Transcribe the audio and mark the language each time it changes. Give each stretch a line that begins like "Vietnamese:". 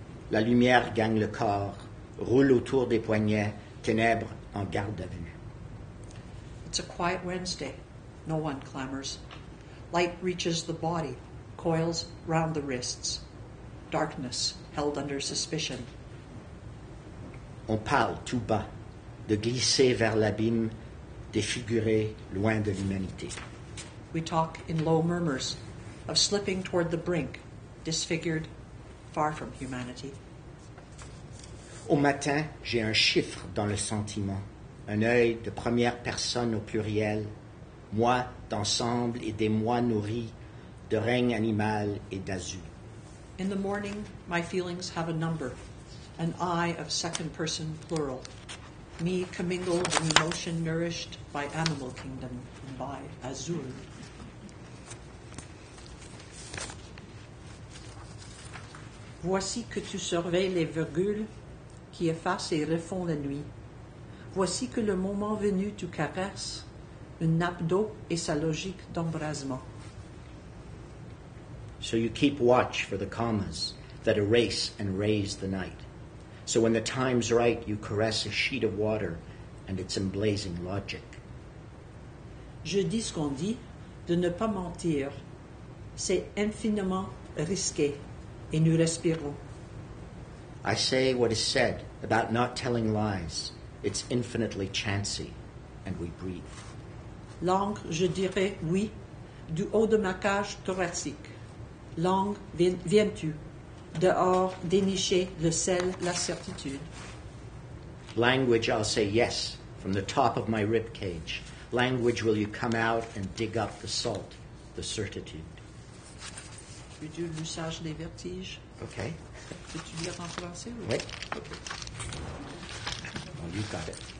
French: La lumière gagne le corps, roule autour des poignets, ténèbres en garde à vue.
English: It's a quiet Wednesday. No one clamors. Light reaches the body, coils round the wrists. Darkness held under suspicion.
French: On parle tout bas, de glisser vers l'abîme, défiguré loin de l'humanité.
English: We talk in low murmurs, of slipping toward the brink, disfigured, far from humanity.
French: Au matin, j'ai un chiffre dans le sentiment, un œil de première personne au pluriel, moi d'ensemble et des moi nourris, de règne animal et d'azur.
English: In the morning, my feelings have a number, an eye of second person plural, me commingled in emotion nourished by animal kingdom and by azur.
French: Voici que tu surveilles les virgules qui effacent et refont la nuit. Voici que le moment venu tu caresses une nappe d'eau et sa logique d'embrasement.
English: So you keep watch for the commas that erase and raise the night. So when the time's right, you caress a sheet of water and its emblazing logic.
French: Je dis ce qu'on dit, de ne pas mentir. C'est infiniment risqué. Et nous respirons.
English: I say what is said about not telling lies. It's infinitely chancy, and we breathe.
French: Langue, je dirais oui, du haut de ma cage thoracique. Langue, viens-tu, dehors dénicher le sel, la certitude.
English: Language, I'll say yes, from the top of my ribcage. Language, will you come out and dig up the salt, the certitude.
French: Du lussage des vertiges.
English: Ok.
French: Peux-tu lire en français?
English: Oui. Okay. Well, you got it.